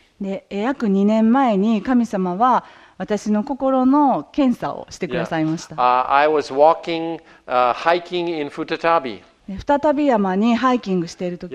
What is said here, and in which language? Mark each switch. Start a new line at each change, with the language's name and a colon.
Japanese: で約2年前に神様は私の心の検査をしてくださいました。
English: Yeah. I was walking, hiking in Futatabi.
Japanese: Futatabi 山にハイキングしているとき、